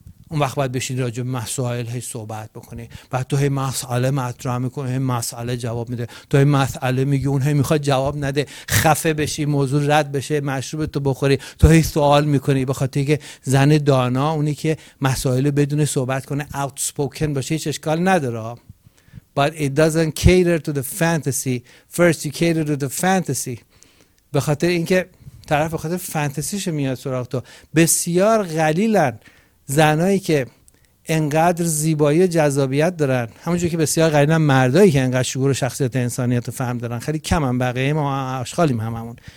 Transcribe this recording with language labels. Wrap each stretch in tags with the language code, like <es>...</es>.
<fa>اون وقت باید بشین راجع به مسائل هی صحبت بکنی، بعد تو هی مسئله مطرح میکنی، هی مسئله جواب میده، تو هی مسئله میگی، اون هی میخواد جواب نده، خفه بشی، موضوع رد بشه، مشروب تو بخوری، تو هی سوال میکنی، بخاطر اینکه زن دانا اونی که مسائل بدون صحبت کنه، outspoken باشه، هیچ اشکال نداره.</fa> <en>But it doesn't cater to the fantasy. First you cater to the fantasy.</en> <fa>بخاطر اینکه طرف بخاطر فانتزیش میاد سراغ تو. بسیار قلیلن زنایی که انقدر زیبایی و جذابیت دارن، همونجوری که بسیار قلیلن مردایی که انقدر شعور و شخصیت و انسانیت و فهم دارن، خیلی کم هم بقیه ما آشغالیم هممون.</fa>